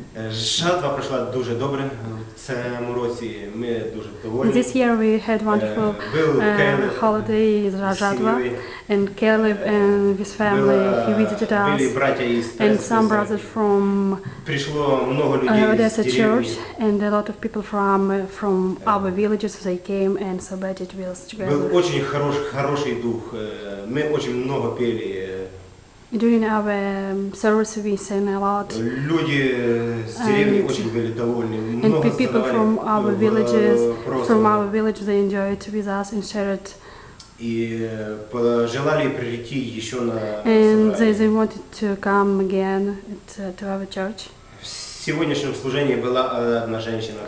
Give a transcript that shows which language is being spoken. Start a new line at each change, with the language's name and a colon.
Ukrainian: Жатва пройшла дуже добре. В цьому році ми дуже довольні.
English: This year we had wonderful holiday
Ukrainian: з жатва.
English: And Caleb and his family, he visited us.
Ukrainian: Були браття із
English: And some brothers from
Ukrainian: Прийшло много людей з
English: Church. And a lot of people from our villages, they came and celebrated with us together.
Ukrainian: Був дуже хороший дух. Ми дуже багато пили.
English: During our service, we sang a lot.
Ukrainian: Люди з деревні дуже були довольні.
English: And people from our villages, they enjoyed with us and shared.
Ukrainian: І пожелали прийти ще на
English: And they wanted to come again to our church.
Ukrainian: В сьогоднішньому служенні була одна жінка,